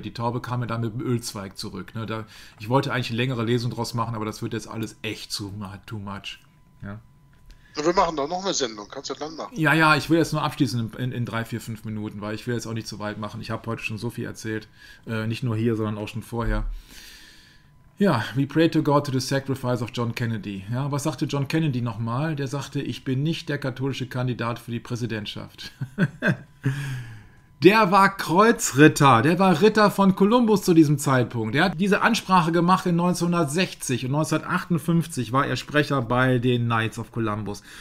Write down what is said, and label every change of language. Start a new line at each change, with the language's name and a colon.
German: Die Taube kam mir dann mit dem Ölzweig zurück. Ne? Ich wollte eigentlich eine längere Lesung draus machen, aber das wird jetzt alles echt too much. Ja. Wir machen da noch eine Sendung, kannst du dann machen. Ja, ich will jetzt nur abschließen in 3, 4, 5 Minuten, weil ich will jetzt auch nicht zu weit machen. Ich habe heute schon so viel erzählt, nicht nur hier, sondern auch schon vorher.
English: Ja, we pray to God to the sacrifice of John Kennedy.
German: Ja, was sagte John Kennedy nochmal? Der sagte, ich bin nicht der katholische Kandidat für die Präsidentschaft. Der war Kreuzritter, der war Ritter von Kolumbus zu diesem Zeitpunkt. Der hat diese Ansprache gemacht in 1960 und 1958 war er Sprecher bei den Knights of Columbus.